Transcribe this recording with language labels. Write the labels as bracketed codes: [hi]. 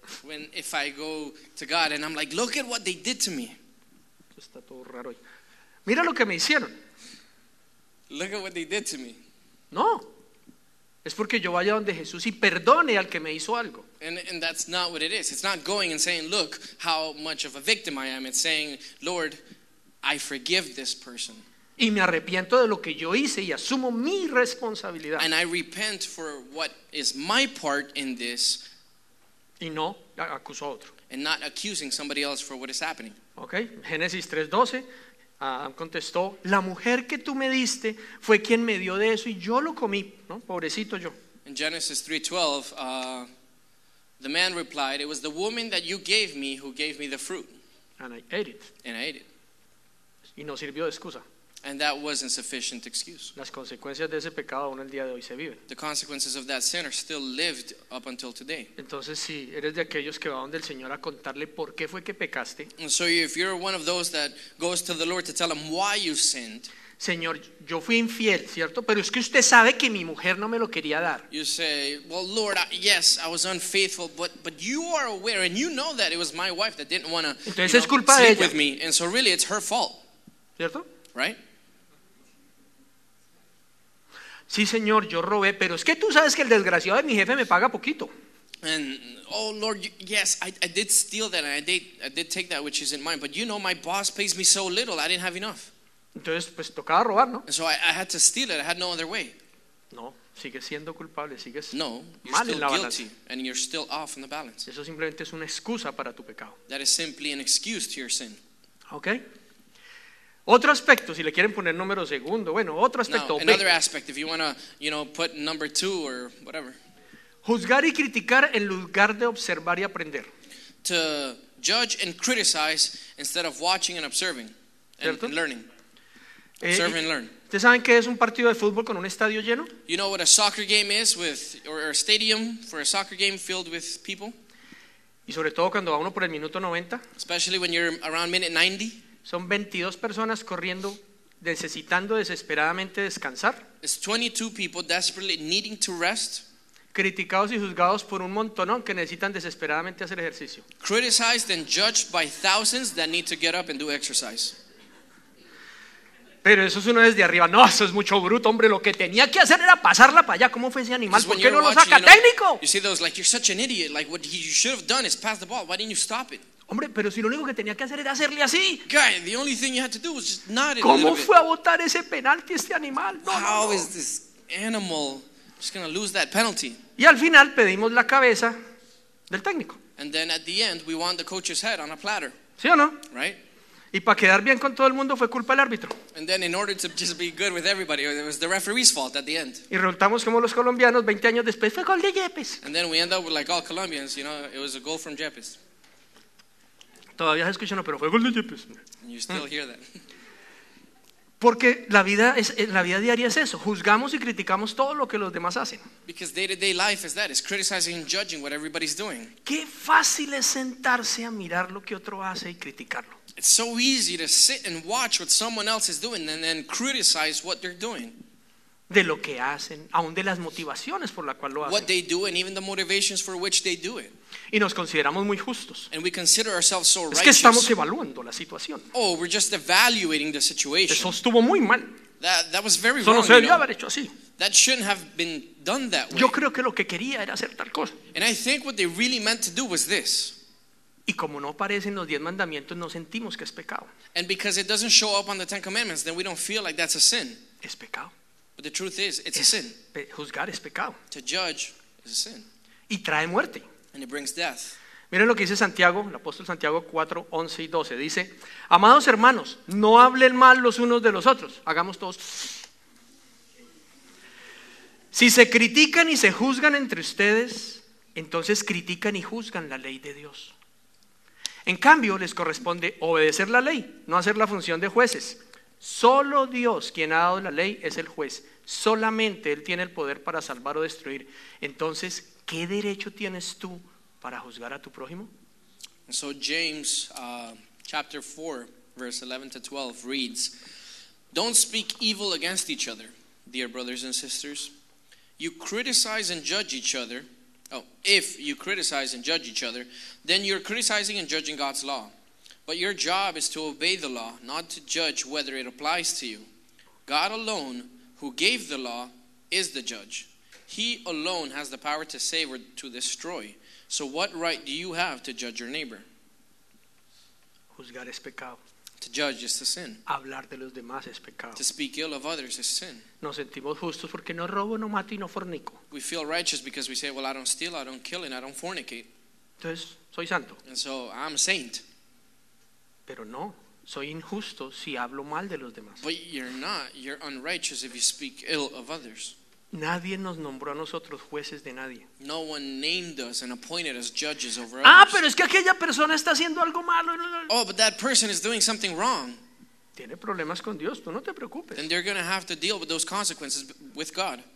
[en] When if I go to God and I'm like, look at what they did to me. [es] Esto está todo raro hoy. Mira lo que me hicieron. [en] Look at what they did to me. [es] No. Es porque yo vaya donde Jesús y perdone al que me hizo algo. [en] And that's not what it is. It's not going and saying, look how much of a victim I am. It's saying, Lord, I forgive this person. [es] Y me arrepiento de lo que yo hice y asumo mi responsabilidad. [en] And I repent for what is my part in this. [es] Y no acusó a otro. [en] And not accusing somebody else for what is happening. [es] Okay, Génesis 3:12. Adam contestó, la mujer que tú me diste fue quien me dio de eso y yo lo comí, ¿no? Pobrecito yo. [en] In Genesis 3:12, the man replied, it was the woman that you gave me who gave me the fruit. And I ate it. And I ate it. [es] Y no sirvió de excusa. [en] And that wasn't sufficient excuse. [es] Las consecuencias de ese pecado aún el día de hoy se viven. [en] The consequences of that sin are still lived up until today. [es] Entonces, si eres de aquellos que va donde el Señor a contarle por qué fue que pecaste, [en] and so if you're one of those that goes to the Lord to tell him why you sinned, [es] Señor, yo fui infiel, ¿cierto? Pero es que usted sabe que mi mujer no me lo quería dar. [en] You say, well, Lord, yes, I was unfaithful, but you are aware and you know that it was my wife that didn't want to sleep with me. And so really, it's her fault. [es] ¿Cierto? [en] Right? [es] Sí, señor, yo robé, pero es que tú sabes que el desgraciado de mi jefe me paga poquito. [en] And oh Lord, yes, I did steal that, and I did take that which isn't mine. But you know, my boss pays me so little, I didn't have enough. [es] Entonces, pues tocaba robar, ¿no? [en] And so I had to steal it. I had no other way. [es] No, sigue siendo culpable, sigues no, mal en la [en] guilty, [es] balanza. [en] And you're still off in the balance. [es] Eso simplemente es una excusa para tu pecado. [en] That is simply an excuse to your sin. Okay. [es] Otro aspecto, si le quieren poner número segundo, bueno, otro aspecto. [en] Now, another aspect, if you want to, you know, put number two or whatever. [es] Juzgar y criticar en lugar de observar y aprender. [en] To judge and criticize instead of watching and observing and learning. Observe and learn. [es] ¿Ustedes saben qué es un partido de fútbol con un estadio lleno? [en] You know what a soccer game is with, or a stadium for a soccer game filled with people? [es] Y sobre todo cuando va uno por el minuto 90. [en] Especially when you're around minute 90. [es] Son 22 personas corriendo, necesitando desesperadamente descansar. [en] It's 22 people desperately needing to rest. [es] Criticados y juzgados por un montonón que necesitan desesperadamente hacer ejercicio. [en] Criticized and judged by thousands that need to get up and do exercise. [es] Pero eso es uno desde arriba. No, eso es mucho bruto, hombre. Lo que tenía que hacer era pasarla para allá. ¿Cómo fue ese animal? ¿Por qué no lo saca técnico? [en] You see those, like, you're such an idiot. Like, what you should have done is pass the ball. Why didn't you stop it? [es] Hombre, pero si lo único que tenía que hacer era hacerle así. [en] Guy, the only thing you had to do was just nod it. [es] ¿Cómo fue a botar ese penalti este animal? [en] No, how is this animal just going to lose that penalty? [es] Y al final pedimos la cabeza del técnico. [en] And then at the end we want the coach's head on a platter. [es] ¿Sí o no? [en] Right? [es] Y para quedar bien con todo el mundo fue culpa del árbitro. [en] And then in order to just be good with everybody, it was the referee's fault at the end. [es] Y resultamos como los colombianos 20 años después fue gol de Yepes. [en] And then we end up like all Colombians, you know, it was a goal from Yepes. [es] Todavía se escucha, no, pero fue gol de Yepes. [en] You still hear that. [es] Porque la vida diaria es eso. Juzgamos y criticamos todo lo que los demás hacen. [en] Because day-to-day life is that. It's criticizing and judging what everybody's doing. [es] Qué fácil es sentarse a mirar lo que otro hace y criticarlo. [en] It's so easy to sit and watch what someone else is doing and then criticize what they're doing. [es] De lo que hacen, aún de las motivaciones por la cual lo hacen. [en] What they do and even the motivations for which they do it. [es] Y nos consideramos muy justos. [en] And we consider ourselves so righteous. [es] Es que estamos evaluando la situación. [en] Oh, we're just evaluating the situation. [es] Eso estuvo muy mal. [en] That was very [es] Solo [en] wrong. [es] Se debió, [en] you know, [es] haber hecho así. [en] That shouldn't have been done that way. [es] Yo creo que lo que quería era hacer tal cosa. [en] And I think what they really meant to do was this. [es] Y como no aparecen los 10 mandamientos, no sentimos que es pecado. [en] And because it doesn't show up on the 10 commandments, then we don't feel like that's a sin. [es] Es pecado. [en] But the truth is, it's a sin. [es] Juzgar es pecado. [en] To judge is a sin. [es] Y trae muerte. [en] And it brings death. [es] Miren lo que dice Santiago, el apóstol Santiago 4, 11 y 12. Dice, amados hermanos, no hablen mal los unos de los otros. Hagamos todos. Si se critican y se juzgan entre ustedes, entonces critican y juzgan la ley de Dios. En cambio, les corresponde obedecer la ley, no hacer la función de jueces. Solo Dios, quien ha dado la ley, es el juez. Solamente Él tiene el poder para salvar o destruir. Entonces, ¿qué derecho tienes tú para juzgar a tu prójimo? [en] So James chapter 4, verse 11 to 12 reads, don't speak evil against each other, dear brothers and sisters. You criticize and judge each other. Oh, if you criticize and judge each other, then you're criticizing and judging God's law. But your job is to obey the law, not to judge whether it applies to you. God alone, who gave the law, is the judge. He alone has the power to save or to destroy. So what right do you have to judge your neighbor? [es] Juzgar es pecado. [en] To judge is a sin. [es] Hablar de los demás es pecado. [en] To speak ill of others is sin. [es] Nos sentimos justos porque no robo, no mato y no fornico. [en] We feel righteous because we say, well, I don't steal, I don't kill, and I don't fornicate. [es] Entonces, soy santo. [en] And so I'm a saint. [es] Pero no, soy injusto si hablo mal de los demás. [en] But you're not. You're unrighteous if you speak ill of others. [es] Nadie nos nombró a nosotros jueces de nadie. [en] No one named us and appointed us judges over others. [es] Ah, pero es que aquella persona está haciendo algo malo. [en] Oh, but that person is doing something wrong. [es] Tiene problemas con Dios, tú no te preocupes. [en] Then they're going to have to deal with those consequences with God.